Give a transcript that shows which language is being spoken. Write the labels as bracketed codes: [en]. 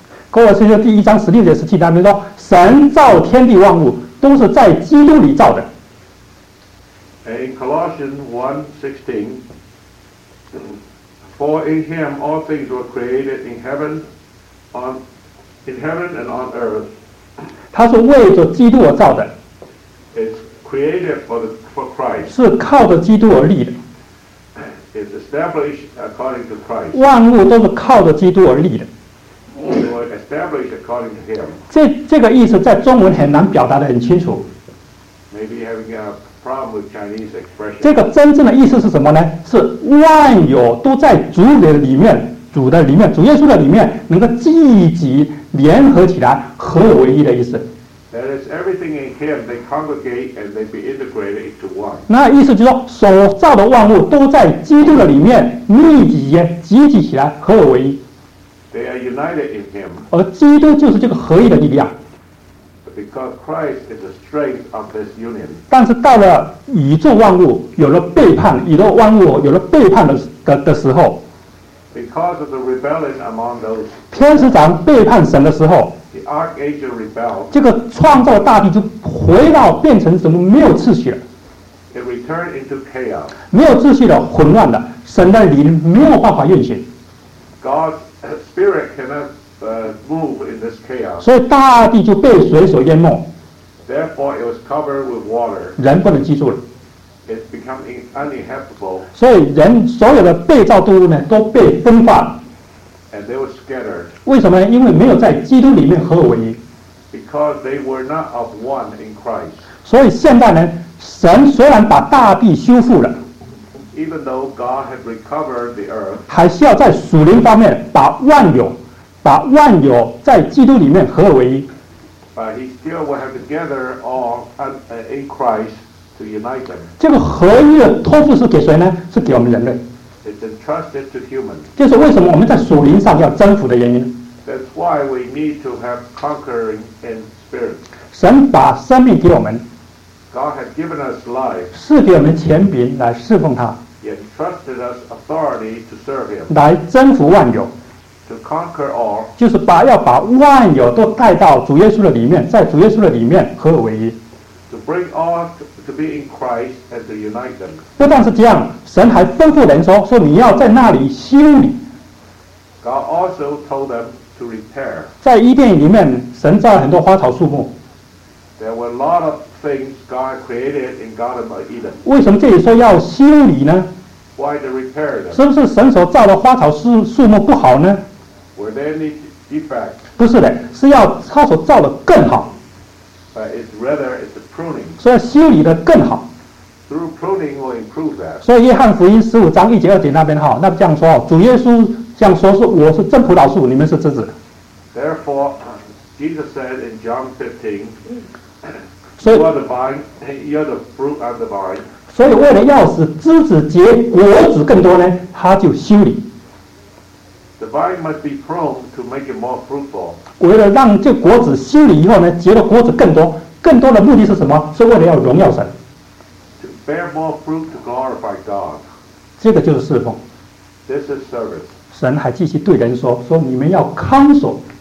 [zh] 哥罗西书第一章十六节十七节，他们说神造天地万物都是在基督里造的。 [en] In Colossians 1:16, for in him all things were created in heaven and on earth. [zh] 他是为着基督而造的。 [en] It's created for Christ. [zh] 是靠着基督而立的。 [en] Is established according to Christ. [zh] 万物都是靠着基督而立的。 [en] They were established according to Him. [zh] 这个意思在中文很难表达得很清楚。 [en] Maybe having a problem with Chinese expression. [zh] 这个真正的意思是什么呢？是万有都在主的里面，主的里面，主耶稣的里面，能够积极联合起来，合而为一的意思。 [en] That is everything in Him. They congregate and they be integrated into one. [zh] 那意思就是说，所造的万物都在基督的里面密集集体起来，合而为一。 [en] They are united in Him. [zh] 而基督就是这个合一的力量。 [en] Because Christ is the strength of this union. [zh] 但是到了宇宙万物有了背叛，宇宙万物有了背叛的时候 [en] ，Because of the rebellion among those. [zh] 天使长背叛神的时候。 [en] The archangel rebelled. [zh] 这个创造大地就回到变成什么没有秩序了。 [en] it returned into chaos. [zh] 没有秩序的，混乱的，神的灵没有办法运行。 [en] God's spirit cannot move in this chaos. [zh] 所以大地就被水所淹没。 [en] Therefore, it was covered with water. [zh] 人不能居住了。 [en] It became uninhabitable. [zh] 所以人所有的被造动物呢，都被分化了。 [en] And they were scattered. [zh] 为什么呢？因为没有在基督里面合而为一。 [en] Because they were not of one in Christ. [zh] 所以现代人，神虽然把大地修复了， [en] Even though God had recovered the earth, [zh] 还需要在属灵方面把万有在基督里面合而为一。 [en] But he still will have together all in Christ to unite them. [zh] 这个合一的托付是给谁呢？是给我们人类。 [en] It's entrusted to humans. [zh] 就是为什么我们在属灵上要征服的原因。 [en] That's why we need to have conquering in spirit. [zh] 神把生命给我们。 [en] God has given us life. [zh] 赐给我们权柄来侍奉他。 [en] He entrusted us authority to serve him. [zh] 来征服万有。 [en] To conquer all. [zh] 就是要把万有都带到主耶稣的里面，在主耶稣的里面合而为一。 [en] To bring all to be in Christ and to unite them. [zh] 不但是这样，神还吩咐人说你要在那里修理。 [en] God also told them. To repair. [zh] 在伊甸里面，神造了很多花草树木。 [en] There were a lot of things God created in Garden of Eden. [zh] 为什么这里说要修理呢？ [en] Why the repair? [zh] 是不是神所造的花草树木不好呢？ [en] Were there any defects? [zh] 不是的，是要他所造的更好。 [en] But it's rather it's the pruning. [zh] 所以修理的更好。 [en] Through pruning will improve that. [zh] 所以约翰福音十五章一节二节那边哈，那这样说，主耶稣。这样说是我是真葡萄树，你们是枝子。 [en] Therefore, Jesus said in John 15, "You are the vine, you are the fruit of the vine." [zh] 所以为了要使枝子结果子更多呢，他就修理。 [en] The vine must be pruned to make it more fruitful. [zh] 为了让这果子修理以后呢，结的果子更多，更多的目的是什么？是为了要荣耀神。 [en] To bear more fruit to glorify God. [zh] 这个就是侍奉。 [en] This is service. [zh] 神还继续对人说你们要看守。